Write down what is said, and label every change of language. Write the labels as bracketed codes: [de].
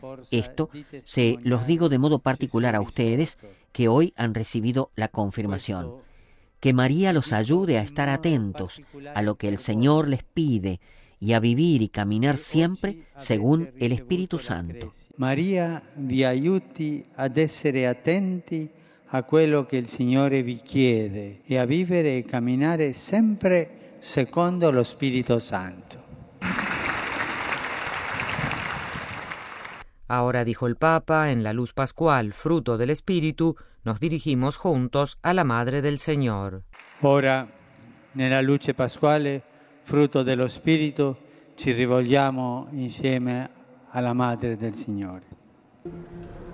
[es] Esto se los digo de modo particular a ustedes que hoy han recibido la confirmación. Que María los ayude a estar atentos a lo que el Señor les pide y a vivir y caminar siempre según el Espíritu Santo. [it] María vi aiuti ad essere attenti a quello che il Signore vi chiede e a vivere e camminare sempre secondo lo Spirito Santo. [es] Ahora dijo el Papa, en la luz pascual, fruto del Espíritu, nos dirigimos juntos a la Madre del Señor. [it] Ora, nella luce pasquale, frutto dello Spirito, ci rivolgiamo insieme alla Madre del Signore.